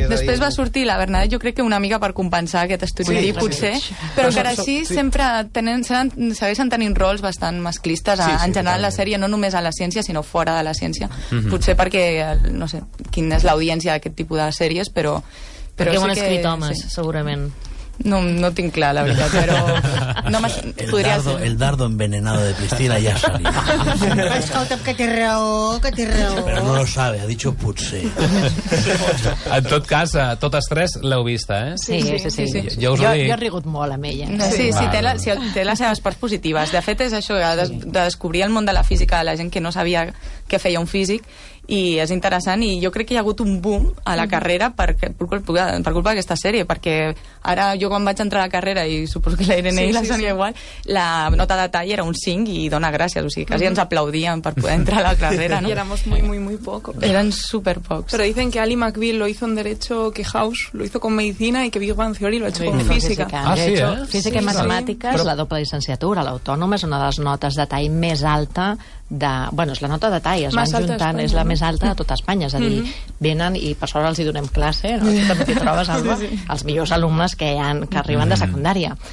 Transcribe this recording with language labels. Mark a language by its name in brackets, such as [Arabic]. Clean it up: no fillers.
[Catalan] Després va sortir la Bernadette, jo crec que una mica per compensar aquest estudiant, sí, potser, però encara així sempre segueixen tenint rols bastant masclistes, sí, en general, la sèrie, no només a la ciència, sinó fora de la ciència. Potser perquè, no sé, quina és l'audiència d'aquest tipus de sèries, però perquè ho han escrit homes, sí, segurament. No tinc clar, la veritat, però... No, [Spanish] el dardo envenenado de Priscila ya salió. [Catalan] Escolta'm, que té raó. [Spanish] Però no lo sabe, ha dicho potser. [Catalan] En tot cas, totes tres l'heu vista, eh? Sí. Jo he rigut molt amb ella. Té les seves parts positives. De fet, és això, de descobrir el món de la física, de la gent que no sabia què feia un físic, i és interessant, i jo crec que hi ha hagut un boom a la carrera per culpa d'aquesta sèrie, perquè ara jo quan vaig entrar a la carrera, i suposo que la Irene i la Sònia igual, la nota de tall era un 5 i dona gràcies, o sigui, quasi ens aplaudien per poder entrar a la carrera, no? [Spanish] I éramos muy, muy, muy poco. Eran super pocos. Pero dicen que Ally McBeal lo hizo en derecho, que House lo hizo con medicina, y que Big Bang Theory lo ha hecho con física. [Catalan] Ah, sí, eh? Física, sí, i matemàtiques, sí, però... la doble licenciatura, l'autònoma, és una de les notes de tall més alta de... Bueno, és la nota de tall, es van juntant, és la més alta de tota Espanya, és a dir, venen i per sort els hi donem classe, no? També t'hi trobes, Alba, els millors alumnes que arriben de secundària.